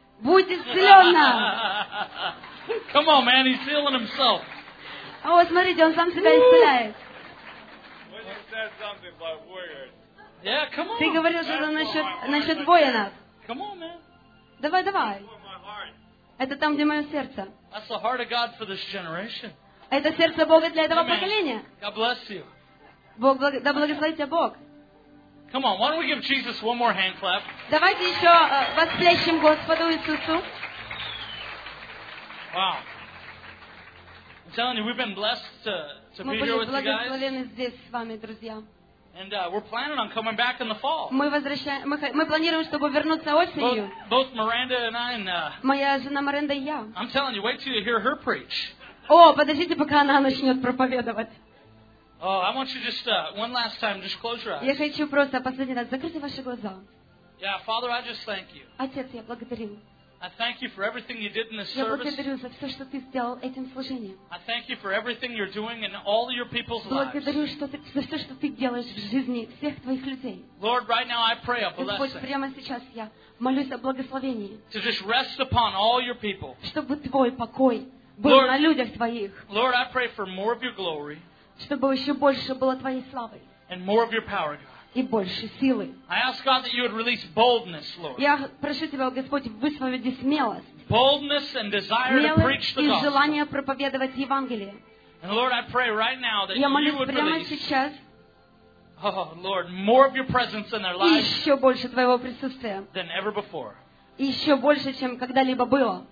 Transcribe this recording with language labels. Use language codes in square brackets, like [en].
[ru] Будь исцелена. [en] Come on, man, he's healing himself. [ru] О, смотрите, он сам себя исцеляет. [en] When you said something about warriors. Yeah, come on. [ru] Ты говорил что-то насчет воинов. [en] Come on, man. [ru] Давай, давай. Это там, где мое сердце. [en] That's the heart of God for this generation. [ru] Это сердце Бога для этого поколения. [en] God bless you. [ru] Бог, да благословит тебя Бог. [en] Come on, why don't we give Jesus one more hand clap? [ru] Давайте еще восплещем Господу Иисусу. [en] Wow. I'm telling you, we've been blessed to be here with you guys. [ru] Мы были благословлены здесь с вами, друзья. [en] And we're planning on coming back in the fall. [ru] Мы планируем, чтобы вернуться осенью. [en] Both Miranda and I. And, [ru] моя жена Миранда и я. [en] I'm telling you, wait till you hear her preach. [ru] О, подождите, пока она начнет проповедовать. [en] Oh, I want you just one last time, just close your eyes. [ru] Я хочу просто последний раз закройте ваши глаза. [en] Yeah, Father, I just thank you. [ru] Отец, я благодарю. [en] I thank you for everything you did in this service. [ru] Я благодарю за все, что ты сделал этим служением. [en] I thank you for everything you're doing in all your people's lives. [ru] Благодарю за все, что ты делаешь в жизни всех твоих людей. [en] Lord, right now I pray a blessing. [ru] Господь, прямо сейчас я молюсь о благословении. [en] To just rest upon all your people. [ru] Чтобы твой покой был на людях твоих. [en] Lord, I pray for more of your glory. [ru] Чтобы еще больше было твоей славы. [en] And more of your power, God. [ru] и больше силы. [en] I ask God that you would release boldness, Lord. [ru] Я прошу тебя, Господь, высвободи смелость. [en] Boldness and desire to preach the gospel. [ru] И желание проповедовать Евангелие. [en] And Lord, I pray right now that you would release. [ru] Сейчас, [en] oh Lord, more of your presence in their lives. [ru] Еще больше твоего присутствия. [en] Than ever before. [ru] Еще больше, чем когда-либо было.